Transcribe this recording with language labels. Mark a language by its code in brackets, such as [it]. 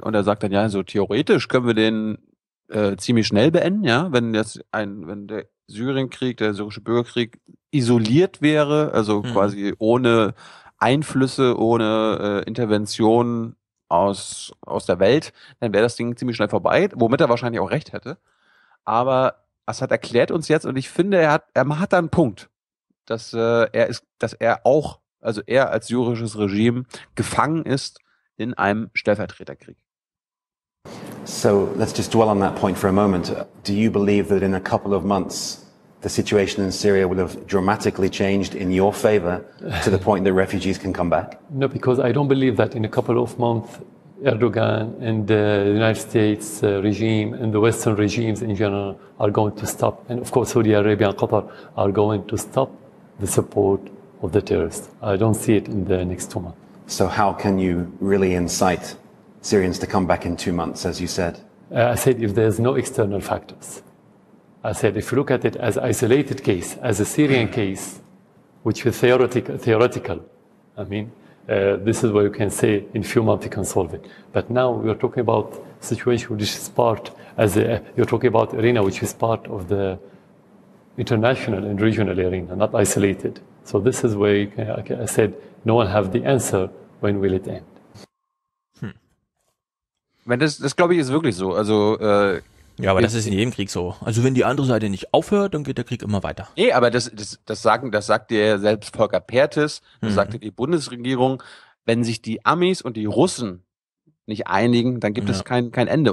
[de] Und er sagt dann, ja, so theoretisch können wir den ziemlich schnell beenden, ja, wenn jetzt wenn der Syrienkrieg, der syrische Bürgerkrieg isoliert wäre, also quasi ohne Einflüsse, ohne Intervention aus der Welt, dann wäre das Ding ziemlich schnell vorbei, womit er wahrscheinlich auch recht hätte. Aber Assad erklärt uns jetzt, und ich finde, er hat da einen Punkt, dass er als syrisches Regime gefangen ist in einem Stellvertreterkrieg. [en] So let's just dwell on that point for a moment. Do you believe that in a couple of months the situation in Syria will have dramatically changed in your favor to the point that refugees can come back? No, because I don't believe that in a couple of months Erdogan and the United States regime and the Western regimes in general are going to stop. And of course, Saudi Arabia and Qatar are going to stop the support of the terrorists. I don't see it in the next 2 months. So how can you really incite Syrians to come back in 2 months, as you said? I said if there's no external factors. I said if you look at it as isolated case, as a Syrian case, which is theoretical, I mean, this is where you can say in a few months you can solve it. But now we are talking about situation which is part, as a, you're talking about arena which is part of the international and regional arena, not isolated. So this is where you can, I said no one have the answer, when will it end? [de] Wenn das glaube ich, ist wirklich so. Also, ja, aber das ist in jedem Krieg so. Also wenn die andere Seite nicht aufhört, dann geht der Krieg immer weiter. Nee, aber das sagt dir selbst Volker Perthes, sagt die Bundesregierung, wenn sich die Amis und die Russen nicht einigen, dann gibt es kein Ende.